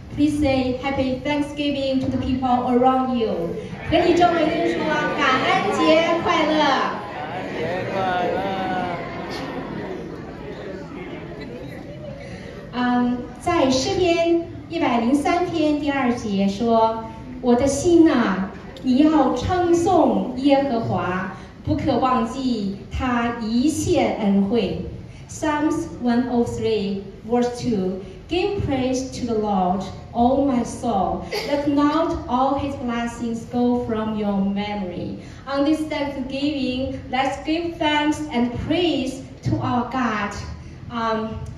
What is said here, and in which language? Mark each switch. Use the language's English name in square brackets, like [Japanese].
[English] Please say Happy Thanksgiving to the people around you. [Chinese] 和你周围的人说感恩节快乐。感恩节快乐。在诗篇103篇第二节说，我的心啊，你要称颂耶和华，不可忘记他一切恩惠。 [English] Psalms 103 verse 2, give praise to the Lord, O my soul, let not all his blessings go from your memory. On this Thanksgiving, let's give thanks and praise to our God.